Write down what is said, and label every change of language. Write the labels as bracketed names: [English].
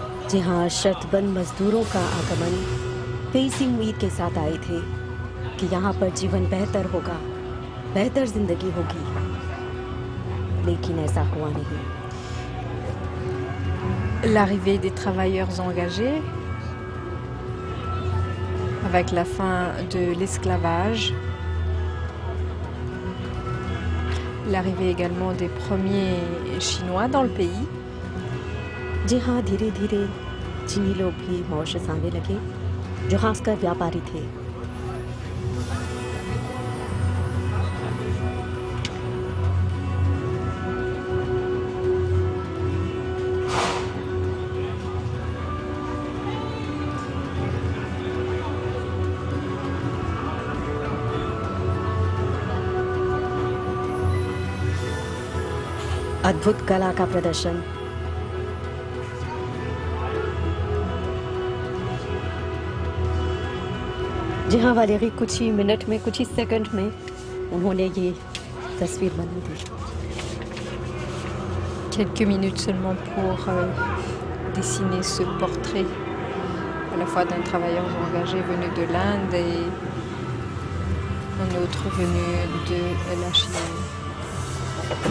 [Hindi] जी हाँ, शर्तबंद मजदूरों का आगमन पेसिंग उम्मीद के साथ आए थे कि यहाँ पर जीवन बेहतर होगा, बेहतर जिंदगी होगी, लेकिन ऐसा हुआ नहीं। [French] L'arrivée des travailleurs engagés avec la fin de l'esclavage, l'arrivée également des premiers Chinois dans le pays. [Hindi] जी हाँ, धीरे धीरे चीनी लोग भी मॉरिशस आने लगे, जो खासकर व्यापारी थे। अद्भुत कला का प्रदर्शन। जी हाँ वालेरी, कुछ ही मिनट में, कुछ ही सेकंड में उन्होंने ये तस्वीर बना दी। [French] Quelques minutes seulement pour dessiner ce portrait à la fois d'un travailleur engagé venu de l'Inde et un autre venu de la Chine.